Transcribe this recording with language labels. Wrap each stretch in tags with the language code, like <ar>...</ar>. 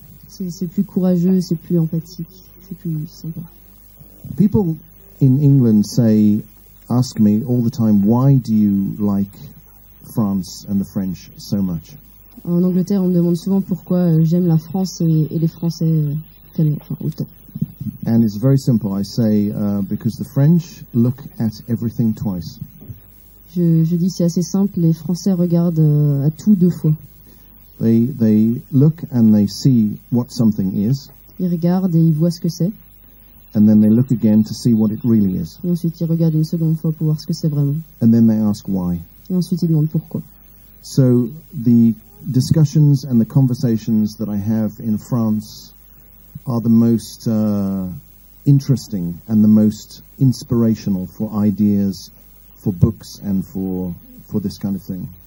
<fr>C'est plus courageux, c'est plus empathique, c'est plus sympa.</fr> <en>People in England ask me all the time, why do you like France and the French so much?</en> <fr>En Angleterre, on me demande souvent pourquoi j'aime la France et les Français autant.</fr> <en>And it's very simple. I say because the French look at everything twice.</en> <fr>Je dis c'est assez simple. Les Français regardent à tout deux fois.</fr> <en>They look and they see what something is.</en> <fr>Ils regardent et ils voient ce que c'est.</fr> <en>And then they look again to see what it really is.</en> <fr>Et ensuite ils regardent une seconde fois pour voir ce que c'est vraiment.</fr> <en>And then they ask why.</en> <fr>Et ensuite ils demandent pourquoi.</fr> <en>So the discussions and the conversations that I have in France are the most interesting and the most inspirational for ideas, for books and for this kind of thing.</en>